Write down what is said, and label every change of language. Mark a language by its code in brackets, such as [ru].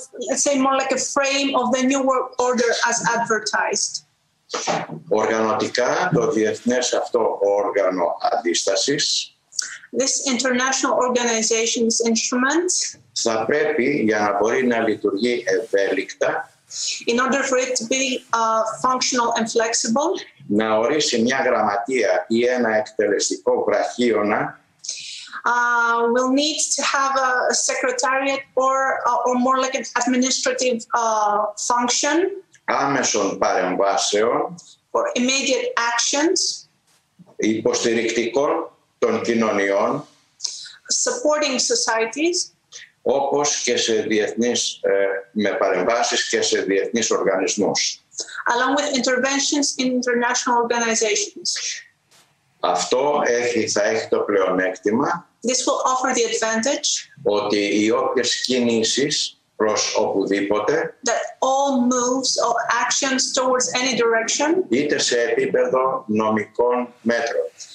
[en] Let's say more like a frame of the new world order as advertised. [el] Οργανωτικά, το διεθνές αυτό όργανο αντίστασης, [en] this international organization's instrument, [el] θα πρέπει, για να μπορεί να λειτουργεί ευέλικτα, [en] in order for it to be functional and flexible, [el] να ορίσει μια γραμματεία ή ένα εκτελεστικό γραχίωνα, [en] will need to have a secretariat or more like an administrative function, [el] άμεσων παρεμβάσεων, [en] for immediate actions, [el] υποστηρικτικών των κοινωνιών, [en] supporting societies, [el] όπως και σε διεθνείς, με παρεμβάσεις και σε διεθνείς οργανισμούς, [en] along with interventions in international organizations. [el] Αυτό θα έχει το πλεονέκτημα, [en] this will offer the advantage [el] ότι οι όποιες κινήσεις προς οπουδήποτε [en] that all moves or actions towards any direction [el] είτε σε επίπεδο νομικών μέτρων